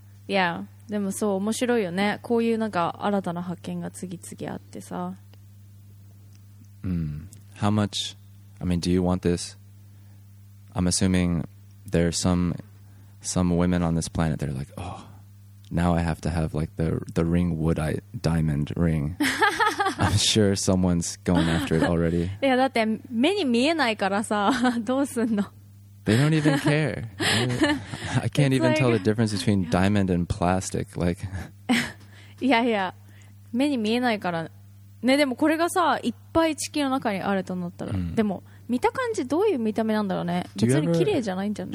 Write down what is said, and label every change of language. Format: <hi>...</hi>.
<ja>いや、でもそう面白いよね。こういうなんか新たな発見が次々あってさ。</ja> <en>How much? I mean, do you want this? I'm assuming there's some women on this planet that are like, oh, now I have to have like the ring wood eye diamond ring. I'm sure someone's going after it already.</en> <ja>いやだって目に見えないからさ、どうすんの？</ja> <en>They don't even care. I can't even tell the difference between diamond and plastic. Like,</en> <ja>yeah, yeah. 目に見えないからね。でもこれがさ、いっぱい地球の中にあるとなったら、でも見た感じどういう見た目なんだろうね。別に綺麗じゃないんじゃない。</ja>